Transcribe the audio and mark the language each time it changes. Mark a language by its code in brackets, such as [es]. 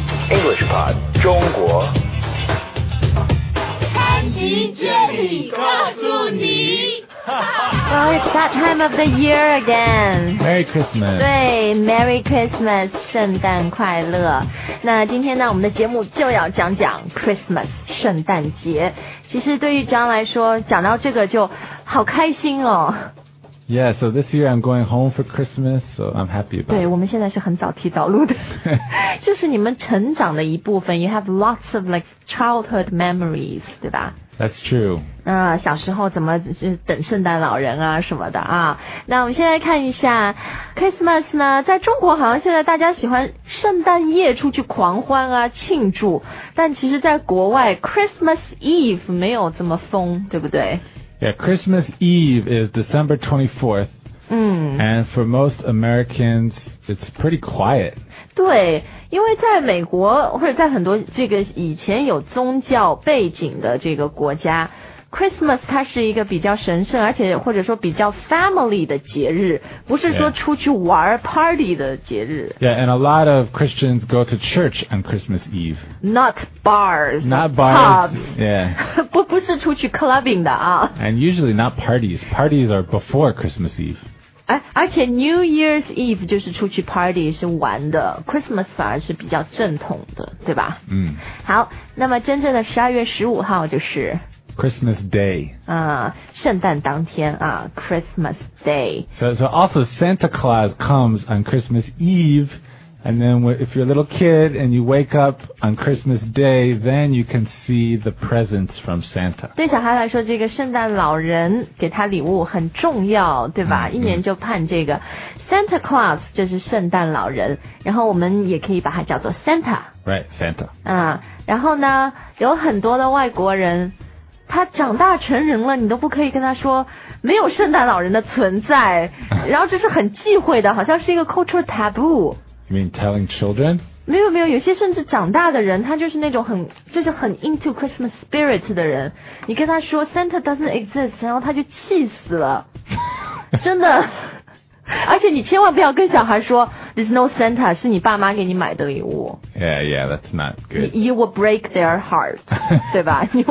[zh] English Pod 中国。潘吉这里告诉你。 [en] Oh, it's that time of the year again. Merry Christmas. [zh] 对 ， [en] Merry Christmas， [zh] 圣诞快乐。那今天呢，我们的节目就要讲讲 Christmas， 圣诞节。其实对于 John 来说，讲到这个就好开心哦。 [en] Yeah, so this year I'm going home for Christmas, so I'm happy about it. [zh] 对，我们现在是很早提早录的，就是你们成长的一部分。 [en] You have lots of like childhood memories, [zh] 对吧？ [en] That's true. [zh] 小时候怎么等圣诞老人啊什么的啊。那我们现在看一下 Christmas 呢，在中国好像现在大家喜欢圣诞夜出去狂欢啊庆祝，但其实在国外 Christmas Eve 没有这么疯，对不对？ [en] Yeah, Christmas Eve is December 24th. And for most Americans, it's pretty quiet. [zh] 对，因为在美国或者在很多这个以前有宗教背景的这个国家， Christmas 它是一个比较神圣而且或者说比较 family 的节日，不是说出去玩 party 的节日。 [en] Yeah, and a lot of Christians go to church on Christmas Eve. Not bars. Pubs. Yeah. [zh] 不是出去 clubbing 的啊。 [en] And usually not parties. Parties are before Christmas Eve. [zh] 而且 New Year's Eve 就是出去 party 是玩的， Christmas 反而是比较正统的，对吧？好，那么真正的12月15号就是 [en] Christmas Day [zh] 啊，圣诞当天啊， Christmas Day. [en] So also Santa Claus comes on Christmas Eve, and then if you're a little kid and you wake up on Christmas Day, then you can see the presents from Santa. [zh] 对小孩来说，这个圣诞老人给他礼物很重要，对吧？一年就盼这个 Santa Claus 就是圣诞老人，然后我们也可以把它叫做 Santa. [en] Right, Santa. [zh] 然后呢，有很多的外国人，他长大成人了，你都不可以跟他说没有圣诞老人的存在，然后这是很忌讳的，好像是一个 cultural taboo. [en] You mean telling children? [zh] 没有没有，有些甚至长大的人，他就是那种很就是很 [en] into Christmas spirit [zh] 的人。你跟他说 [en] Santa doesn't exist, [zh] 然后他就气死了，真的。而且你千万不要跟小孩说 [en] There's no Santa, [zh] 是你爸妈给你买的礼物。 [en] Yeah, yeah, that's not good. You will break their heart, [zh] 对吧？